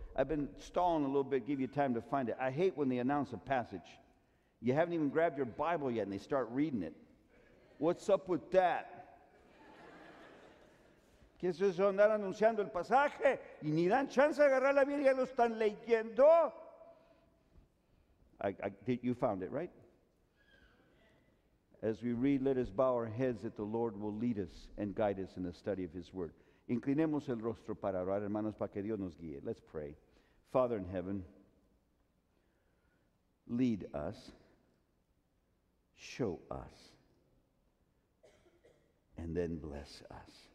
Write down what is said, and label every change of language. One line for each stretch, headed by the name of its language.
English: I've been stalling a little bit, give you time to find it. I hate when they announce a passage. You haven't even grabbed your Bible yet and they start reading it. What's up with that?
Spanish: ¿Qué es eso? Andar anunciando el pasaje y ni dan chance de agarrar la Biblia, lo están leyendo.
English: You found it, right? As we read, let us bow our heads that the Lord will lead us and guide us in the study of His Word.
Spanish: Inclinemos el rostro para orar, hermanos, para que Dios nos guíe.
English: Let's pray. Father in heaven, lead us, show us, and then bless us.